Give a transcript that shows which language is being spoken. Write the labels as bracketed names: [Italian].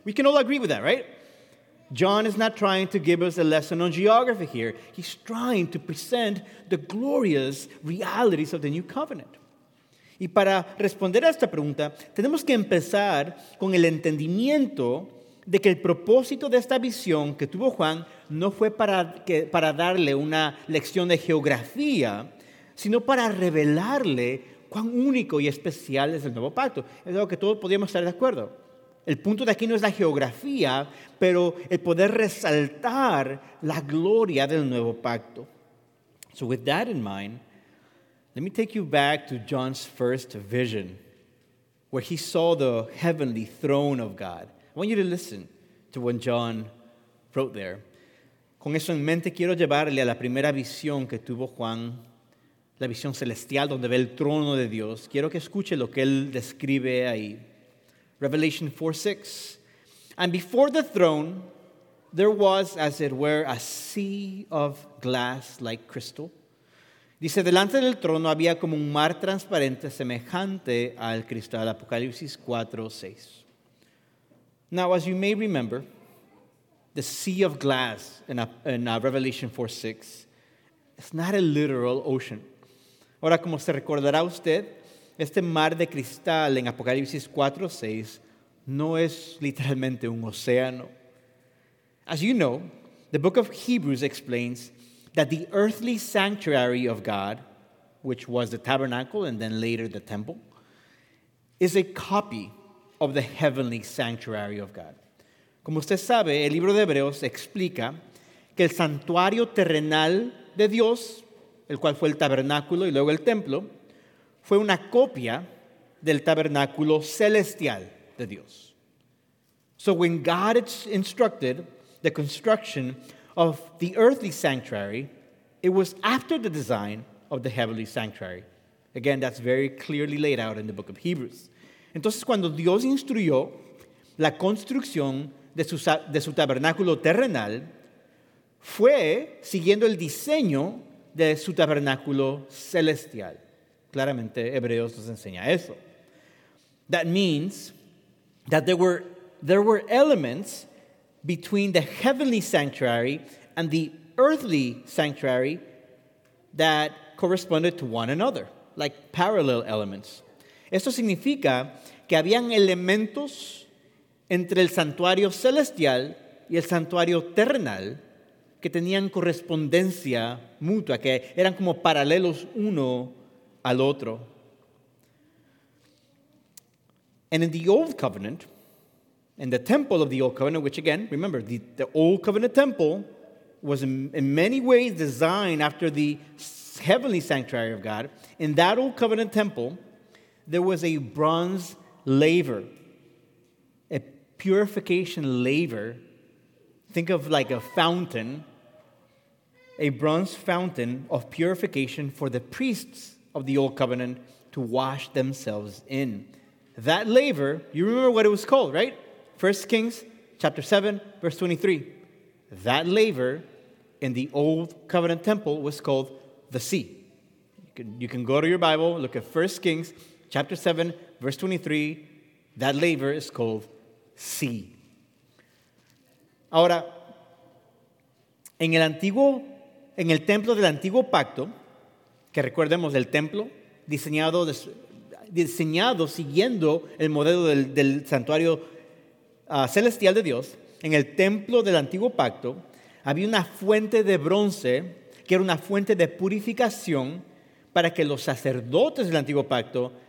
[English] We can all agree with that, right? John is not trying to give us a lesson on geography here. He's trying to present the glorious realities of the new covenant. [Spanish] Y para responder a esta pregunta, tenemos que empezar con el entendimiento de que el propósito de esta visión que tuvo Juan no fue para darle una lección de geografía, sino para revelarle cuán único y especial es el nuevo pacto. Es algo que todos podríamos estar de acuerdo. El punto de aquí no es la geografía, pero el poder resaltar la gloria del nuevo pacto. [English] So with that in mind, let me take you back to John's first vision, where he saw the heavenly throne of God. I want you to listen to what John wrote there. [Spanish] Con eso en mente, quiero llevarle a la primera visión que tuvo Juan, la visión celestial donde ve el trono de Dios. Quiero que escuche lo que él describe ahí. [English] Revelation 4:6. And before the throne, there was, as it were, a sea of glass like crystal. [Spanish] Dice, delante del trono había como un mar transparente semejante al cristal. Apocalipsis 4:6. [English] Now, as you may remember, the sea of glass in Revelation 4:6 is not a literal ocean. [Spanish] Ahora, como se recordará usted, este mar de cristal en Apocalipsis 4:6 no es literalmente un océano. [English] As you know, the book of Hebrews explains that the earthly sanctuary of God, which was the tabernacle and then later the temple, is a copy of the heavenly sanctuary of God. [Spanish] Como usted sabe, el libro de Hebreos explica que el santuario terrenal de Dios, el cual fue el tabernáculo y luego el templo, fue una copia del tabernáculo celestial de Dios. [English] So when God instructed the construction of the earthly sanctuary, it was after the design of the heavenly sanctuary. Again, that's very clearly laid out in the book of Hebrews. [Spanish] Entonces, cuando Dios instruyó la construcción de su tabernáculo terrenal, fue siguiendo el diseño de su tabernáculo celestial. Claramente, Hebreos nos enseña eso. [English] That means that there were elements between the heavenly sanctuary and the earthly sanctuary that corresponded to one another, like parallel elements. Esto significa que habían elementos entre el santuario celestial y el santuario terrenal que tenían correspondencia mutua, que eran como paralelos uno al otro. And in the Old Covenant, in the temple of the Old Covenant, which again, remember, the Old Covenant temple was in many ways designed after the heavenly sanctuary of God. In that Old Covenant temple, there was a bronze laver, a purification laver. Think of like a fountain, a bronze fountain of purification for the priests of the Old Covenant to wash themselves in. That laver, you remember what it was called, right? 1 Kings chapter 7, verse 23. That laver in the Old Covenant temple was called the sea. You can go to your Bible, look at 1 Kings chapter 7, verse 23. That laver is called sea. [Spanish] Ahora, en el templo del antiguo pacto, que recordemos el templo diseñado siguiendo el modelo del santuario celestial de Dios, en el templo del antiguo pacto había una fuente de bronce que era una fuente de purificación para que los sacerdotes del antiguo pacto